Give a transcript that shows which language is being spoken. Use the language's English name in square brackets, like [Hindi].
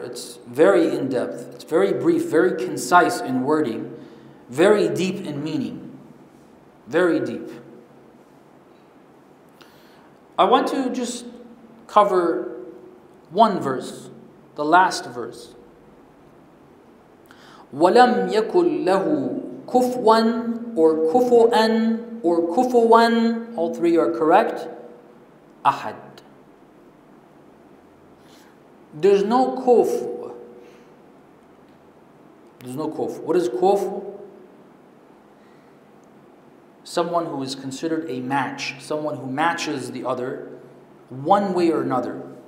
[English] It's very in-depth. It's very brief, very concise in wording, very deep in meaning. Very deep. I want to just cover one verse, the last verse. [Arabic] وَلَمْ يَكُلْ لَهُ كُفْوًا or كُفُوًا or كُفُوًا, [English] all three are correct, [Arabic] أحد. [English] There's no كُف. There's no كُف. What is كُف? Someone who is considered a match, someone who matches the other one way or another.